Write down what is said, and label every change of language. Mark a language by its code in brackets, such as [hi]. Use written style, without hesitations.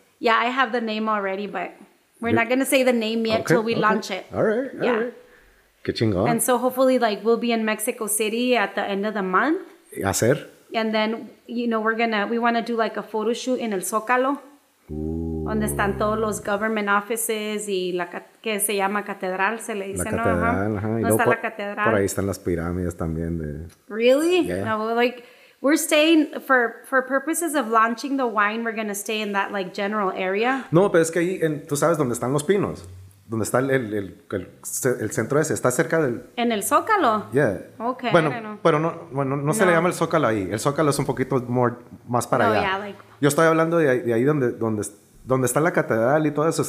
[en] Yeah, I have the name already, but we're not going to say the name yet till we launch it. All right. All right. [es] Qué chingón. [en] And so hopefully like we'll be in Mexico City at the end of the month. [es] ¿Hacer? [en] And then, you know, we want to do like a photo shoot in El Zócalo. Ooh. [es] Donde están todos los [en] government offices [es] y la que se llama catedral, se le dice, ¿no? La catedral, ajá. ¿Dónde está la catedral? Por ahí están las pirámides también. [en] Really? Yeah. No, like... We're staying, for purposes of launching the wine, we're going to stay in that, like, general area. [es] No, pero es que ahí, tú sabes dónde están los pinos. Donde está el centro ese. Está cerca del... ¿En el Zócalo? [en] Yeah. Okay. [es] Bueno, pero no se le llama el Zócalo ahí. El Zócalo es un poquito más para allá. [en] Oh, yeah, like... [es] Yo estoy hablando de ahí donde está la catedral y todo eso.